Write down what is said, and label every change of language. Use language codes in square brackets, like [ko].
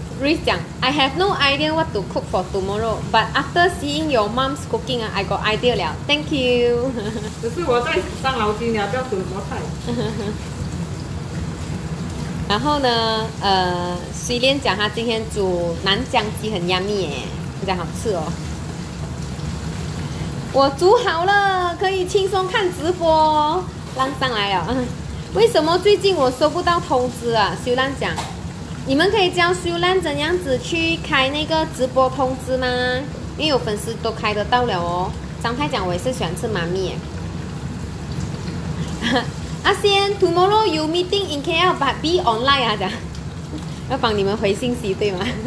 [en] Rich 讲 ，I have no idea what to cook for tomorrow, but after seeing your mom's cooking, I got idea 了。 Thank you。 [zh] 只是我在伤脑筋了，不要煮什么菜。然后呢，徐莲讲她今天煮南姜鸡很 yummy 耶，非常好吃哦。我煮好了，可以轻松看直播哦。浪上来了，为什么最近我收不到通知啊？徐莲讲。你们可以教苏兰怎样子去开那个直播通知吗？因为有粉丝都开得到了哦。张太讲我也是喜欢吃妈咪耶。 [en] 阿仙 ，tomorrow you meeting in KL but be online 啊， [zh] 讲要帮你们回信息对吗？